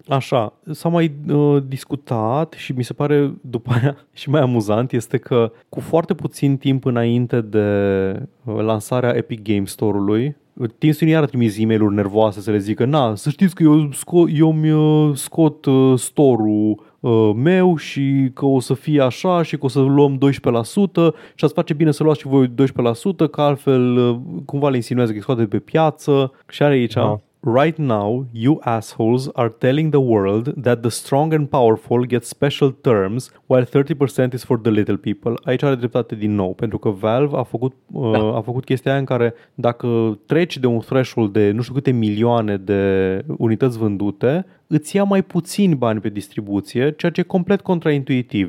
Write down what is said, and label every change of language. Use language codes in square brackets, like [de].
[ro] Așa, s-a mai discutat și mi se pare după aia și mai amuzant este că cu foarte puțin timp înainte de lansarea Epic Game Store-ului, Tim Sweeney ar trimis e-mail-uri nervoase să le zică, na, să știți că eu îmi scot store-ul meu și că o să fie așa și că o să luăm 12% și ați face bine să luați și voi 12%, că altfel cumva le insinuează că îi scoate pe piață. Și are aici, [en] Right now, you assholes are telling the world that the strong and powerful get special terms while 30% is for the little people. [ro] Aici are dreptate din nou, pentru că Valve a făcut, a făcut chestia aia în care dacă treci de un threshold de nu știu câte milioane de unități vândute, îți ia mai puțini bani pe distribuție, ceea ce e complet contraintuitiv.